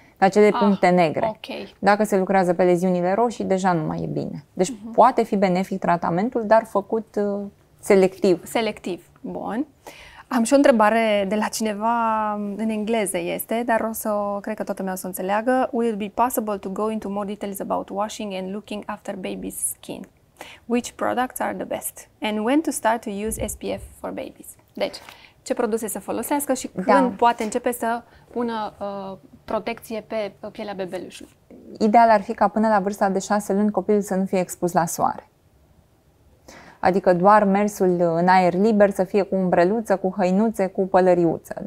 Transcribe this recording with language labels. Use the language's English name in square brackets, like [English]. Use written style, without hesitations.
[Romanian] Acele puncte negre. Okay. Dacă se lucrează pe leziunile roșii, deja nu mai e bine. Deci poate fi benefic tratamentul, dar făcut selectiv. Selectiv, bun. Am și o întrebare de la cineva în engleză este, dar cred că toată mea o să înțeleagă. [English] Will it be possible to go into more details about washing and looking after baby's skin? Which products are the best? And when to start to use SPF for babies? [Romanian] Deci, ce produse să folosească și când poate începe să pună protecție pe pielea bebelușului. Ideal ar fi ca până la vârsta de 6 luni copilul să nu fie expus la soare. Adică doar mersul în aer liber să fie cu umbreluță, cu hăinuțe, cu pălăriuță.